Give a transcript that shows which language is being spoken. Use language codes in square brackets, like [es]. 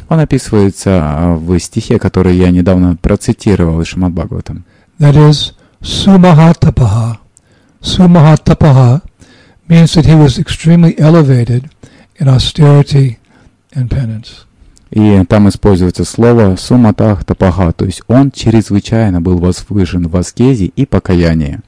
[ru] Он описывается в стихе, который я недавно процитировал из Шримад-Бхагаватам. [en] That is Sumahatapaha. Sumahatapaha means that he was extremely elevated in austerity and penance. [ru] И там используется слово «суматахтапаха», то есть он чрезвычайно был возвышен в аскезе и покаянии.